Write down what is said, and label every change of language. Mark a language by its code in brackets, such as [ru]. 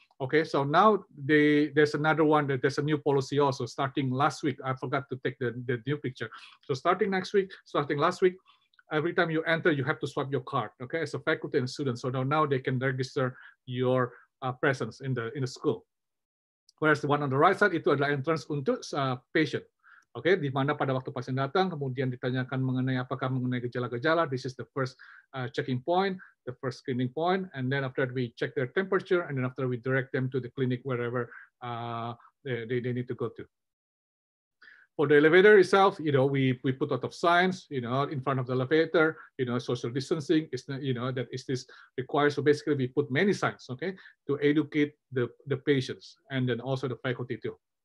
[en] Okay, so now there's another one, that there's a new policy also starting last week. I forgot to take the new picture. So starting last week, every time you enter, you have to swipe your card, okay, as a faculty and student. So now they can register your presence in the school. Whereas the one on the right side, [id] itu adalah [en] entrance [id] untuk [en] patient. [id] Okay, di mana pada waktu pasien datang, kemudian ditanyakan mengenai apakah mengenai gejala-gejala. [en] This is the first checking point, the first screening point, and then after that we check their temperature, and then after we direct them to the clinic wherever they need to go to. For the elevator itself, you know, we put out of signs, you know, in front of the elevator, you know, social distancing is, you know, that is this required. So basically, we put many signs, okay, to educate the patients and then also the faculty too.